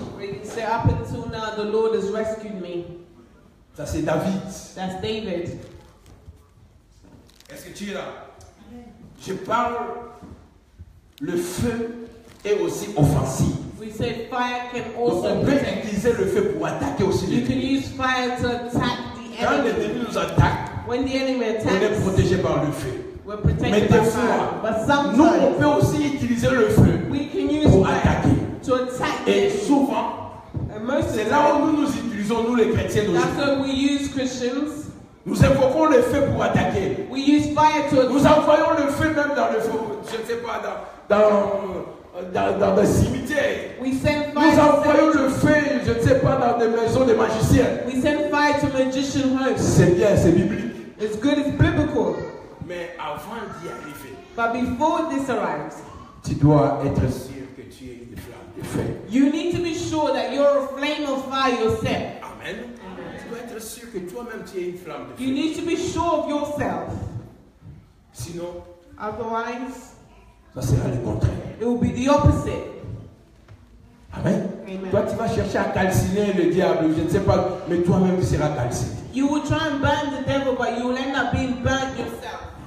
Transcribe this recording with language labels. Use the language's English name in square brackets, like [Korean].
[English] Where you say up until now the Lord has rescued me. [French] Ça c'est David. [English] That's David. [French] Est-ce que tu es là? Je parle le feu est aussi offensive. [English] We said fire can also protect. [French] Donc on peut utiliser le feu pour attaquer aussi les ennemis. [English] You can use fire to attack the enemy. [French] Quand les ennemis nous attaquent, [English] when the enemy attacks, [French] on est protégé par le feu. [English] We're protected by fire. But sometimes, [French] nous on peut aussi utiliser le feu [English] we can use [French] pour attaquer. [English] To attack [French] et them. Souvent, [English] and most [French] c'est [English] of [French] là où nous nous utilisons, nous les chrétiens. [English] That's what we use Christians. [French] Nous invoquons le feu pour attaquer. [English] We use fire to attack. [French] Nous envoyons le feu même dans le feu, je ne sais pas, dans des cimetières. [English] We send fire. [French] Nous envoyons le feu, je ne sais pas, dans des maisons des magiciens. [English] We send fire to magician homes. [French] C'est bien, c'est biblique. [English] It's good, it's biblical. [French] Mais avant d'y arriver, [English] but before this arrives, [French] tu dois être sûr que tu es une flamme de feu. [English] You need to be sure that you're a flame of fire yourself. Amen. [French] Être sûr que toi-même tu es une flamme de feu. [English] You need to be sure of yourself. [French] Sinon, [English] otherwise, [French] ça sera le contraire. [English] It will be the opposite. Amen. Amen. [French] Toi, tu vas chercher à calciner le diable, je ne sais pas, mais toi-même tu seras calciné. [English] You will try and burn the devil, but you will end up being burned yourself.